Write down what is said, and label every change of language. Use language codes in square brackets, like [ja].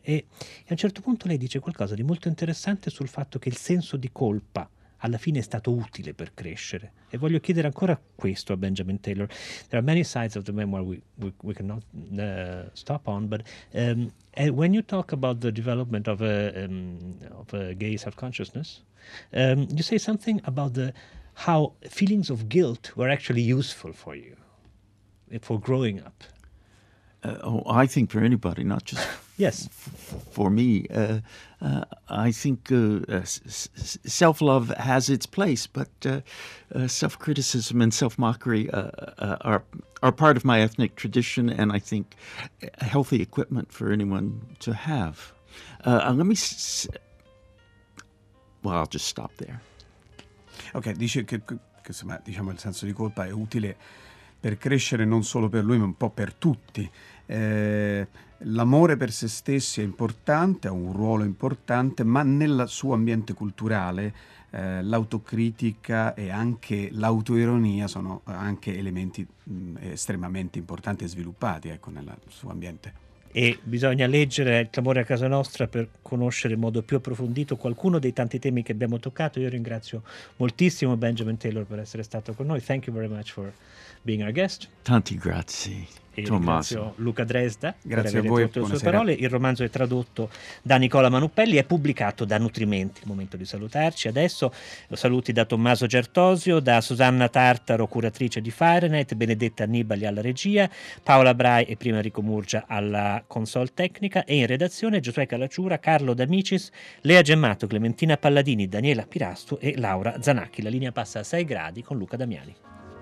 [it] E a un certo punto lei dice qualcosa di molto interessante sul fatto che il senso di colpa alla fine è stato utile per crescere. E voglio chiedere ancora questo a Benjamin Taylor. [en] There are many sides of the memoir we cannot stop on, but when you talk about the development of a gay self-consciousness, you say something about how feelings of guilt were actually useful for you, for growing up. I think for anybody, not just yes, for me. I think self-love has its place, but self-criticism and self-mockery are part of my ethnic tradition, and I think a healthy equipment for anyone to have. I'll just stop there. [it] Okay, dice che insomma, diciamo, il senso di colpa è utile per crescere non solo per lui, ma un po' per tutti. L'amore per se stessi è importante, ha un ruolo importante, ma nel suo ambiente culturale l'autocritica e anche l'autoironia sono anche elementi estremamente importanti e sviluppati, ecco, nel suo ambiente. E bisogna leggere Il clamore a casa nostra per conoscere in modo più approfondito qualcuno dei tanti temi che abbiamo toccato. Io ringrazio moltissimo Benjamin Taylor per essere stato con noi. [en] Thank you very much for being our guest. [it] Tanti grazie. Ringrazio Luca Dresda. Grazie a voi, per le sue parole. Il romanzo è tradotto da Nicola Manuppelli e pubblicato da Nutrimenti. Il momento di salutarci. Adesso saluti da Tommaso Gertosio, da Susanna Tartaro, curatrice di Fahrenheit, Benedetta Annibali alla regia, Paola Brai e prima Enrico Murgia alla console tecnica, e in redazione Giuseppe Calaciura, Carlo D'Amicis, Lea Gemmato, Clementina Palladini, Daniela Pirastu e Laura Zanacchi. La linea passa a 6 gradi con Luca Damiani.